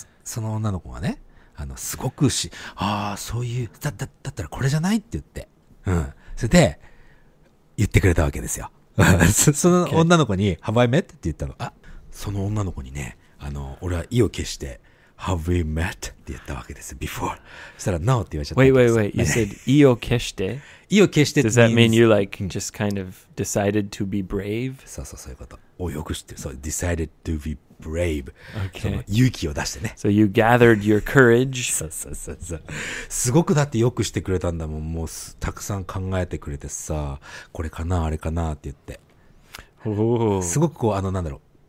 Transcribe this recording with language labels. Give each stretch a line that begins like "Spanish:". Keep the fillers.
Japanese: その女の子がね、あのすごくし、ああ、そういうだ,だ,だったらこれじゃないって言って、うん。それで、言ってくれたわけですよ。 そ,その女の子に、ハ k イメって言ったら、あその女の子にね、あの俺は意を決して、
English: Have we met?
Japanese: って言ったわけです。Before。そしたら No って言われちゃった。
English: Wait, wait, wait. You said
Japanese: 意を決して。意を決して
English: Does that mean you like just kind of decided to be brave?
Japanese: そうそうそういうこと。お、よく知ってる。そう、
English: decided to be brave。<
Japanese: Okay. S 1> 勇気を出してね。
English: So you gathered your courage.
Japanese: そうそうそうそう。すごくだってよくしてくれたんだもん。もうたくさん考えてくれてさ、これかな、あれかなって言って。すごくこう、あの、なんだろう。